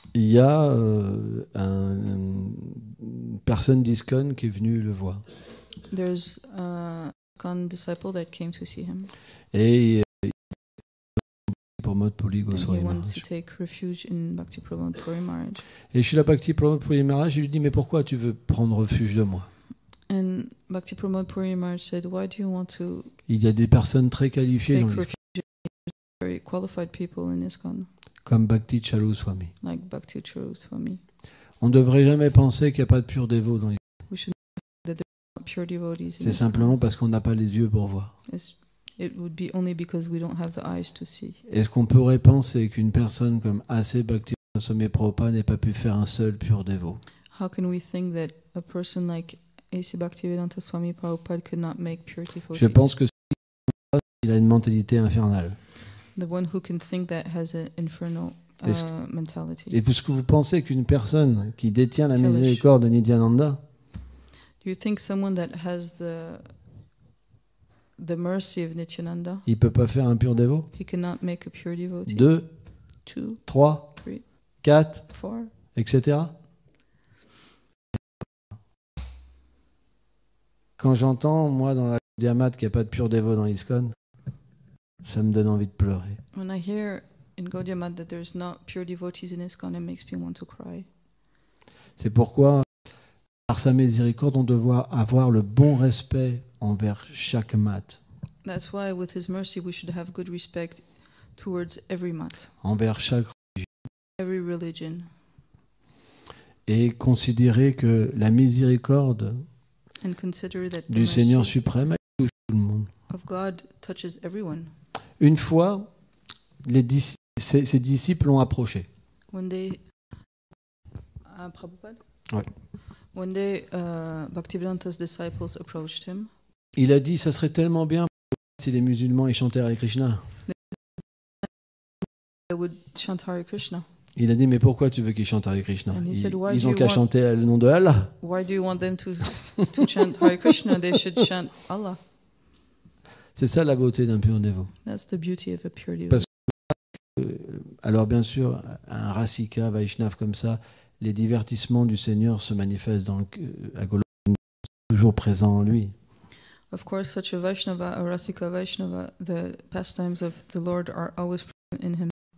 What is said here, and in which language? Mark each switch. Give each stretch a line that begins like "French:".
French: Il y a une personne d'ISKCON qui est venue le voir.
English: There's a ISKCON disciple that came to see him.
French: Et Pramod Puri Goswami
English: Maharaj. He wants to take refuge in Bhakti Pramod Puri Maharaj.
French: Et Shila Bhakti Pramod Puri Maharaj lui dit, mais pourquoi tu veux prendre refuge de moi?
English: And Bhakti Pramod Puri Maharaj said, why do you want to?
French: Il y a des personnes très qualifiées dans l'ISKCON. Comme Bhakti Charu Swami.
English: Like Bhakti Charu Swami.
French: On ne devrait jamais penser qu'il n'y a pas de purs dévots dans l'ISKCON. C'est simplement parce qu'on n'a pas les yeux pour voir. Est-ce qu'on pourrait penser qu'une personne comme Ase Bhakti Charu Swami Prabhupada n'ait pas pu faire un seul pur dévot?
English: How can we think that a person like Ase Bhaktivedanta Swami Prabhupada could not make pure devotees?
French: Je pense que il a une mentalité infernale.
English: The one who can think that has an infernal mentality.
French: Et est-ce que vous pensez qu'une personne qui détient la miséricorde de Nityananda?
English: Do you think someone that has the mercy of Nityananda?
French: Il peut pas faire un pur dévot?
English: He cannot make a pure devotee.
French: Deux,
English: two,
French: trois,
English: three,
French: quatre,
English: four,
French: etc. Quand j'entends, moi, dans la Diamat, qu'il n'y a pas de pur dévot dans l'ISKCON, ça me donne envie de pleurer.
English: When I hear in Gaudiamat that there's not pure devotees in ISKCON, it makes me want to cry.
French: C'est pourquoi, par sa miséricorde, on doit avoir le bon respect envers chaque mat.
English: That's why, with his mercy, we should have good respect towards every mat.
French: Envers chaque religion.
English: Every religion.
French: Et considérer que la miséricorde
English: and consider that
French: du Seigneur suprême touche tout le monde.
English: Of God touches everyone.
French: Une fois, ses disciples l'ont approché.
English: One day, Prabhupada.
French: Ouais.
English: One day, Bhaktivedanta's disciples approached him.
French: Il a dit, ça serait tellement bien si les musulmans chantaient Hare Krishna.
English: They would chant Hare Krishna.
French: Il a dit, mais pourquoi tu veux qu'ils chantent Hare Krishna? Ils n'ont qu'à chanter le nom de Allah.
English: Why do you want them to chant Hare Krishna? They should chant Allah.
French: C'est ça la beauté d'un pur dévot.
English: That's the beauty of a pure devotee.
French: Parce que, alors bien sûr, un Rasika, Vaishnav comme ça, les divertissements du Seigneur se manifestent à Goloka, toujours présents en lui.
English: Of course, such a Vaishnava, a Rasika Vaishnava, the pastimes of the Lord are always present in him.